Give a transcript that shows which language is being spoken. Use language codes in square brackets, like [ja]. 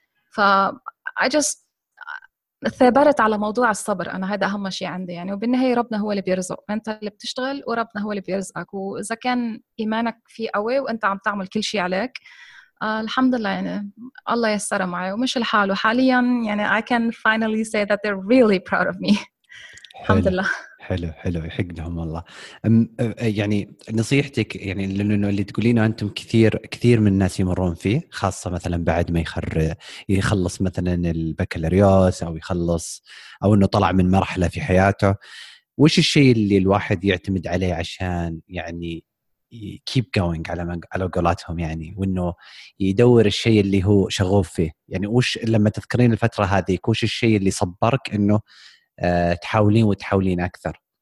[ar] ف [en] I just [ar] ثابرت على موضوع الصبر, أنا هذا أهم شيء عندي يعني. وبالنهاية ربنا هو اللي بيرزق, أنت اللي بتشتغل وربنا هو اللي بيرزقك, وإذا كان إيمانك فيه قوي وأنت عم تعمل كل شيء عليك الحمد لله يعني الله يسر معي. ومش الحال وحاليا يعني [en] I can finally say that they're really proud of me. [ar] الحمد لله. حلو حلو يحق لهم والله. يعني نصيحتك يعني لأنه اللي تقولينه أنتم كثير كثير من الناس يمرون فيه, خاصة مثلا بعد ما يخلص مثلا البكالوريوس أو يخلص أو أنه طلع من مرحلة في حياته, وش الشيء اللي الواحد يعتمد عليه عشان يعني [en] keep going [ar] على قولاتهم يعني, وأنه يدور الشيء اللي هو شغوف فيه يعني؟ وش لما تذكرين الفترة هذه وش الشيء اللي صبرك أنه تحاولين وتحاولين أكثر؟